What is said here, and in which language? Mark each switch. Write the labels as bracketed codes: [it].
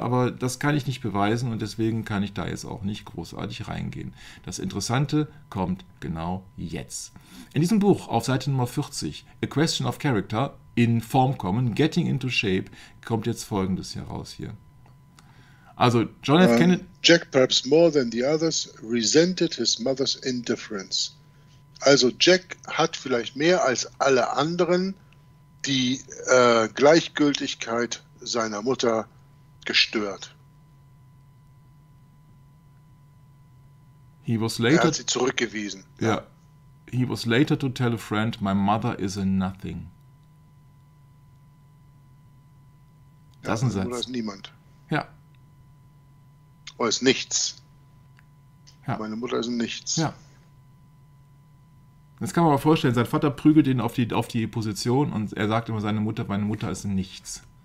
[de] Aber das kann ich nicht beweisen und deswegen kann ich da jetzt auch nicht großartig reingehen. Das Interessante kommt genau jetzt. In diesem Buch auf Seite Nummer 40, A Question of Character, in Form kommen, Getting into Shape, kommt jetzt Folgendes heraus hier. Also John F. Kennedy... [en] Jack, perhaps more than the others, resented his mother's indifference. [de] Also Jack hat vielleicht mehr als alle anderen die Gleichgültigkeit seiner Mutter gestört. [en] He was later, [de] er hat sie zurückgewiesen. Yeah. [en] He was later to tell a friend, my mother is a nothing. [de] Ja, das ist ein Satz. Oder ist niemand. Ja. Oder ist nichts. Ja. Meine Mutter ist ein Nichts. Ja. Das kann man mal vorstellen, sein Vater prügelt ihn auf die Position und er sagt immer, seine Mutter, meine Mutter ist ein Nichts.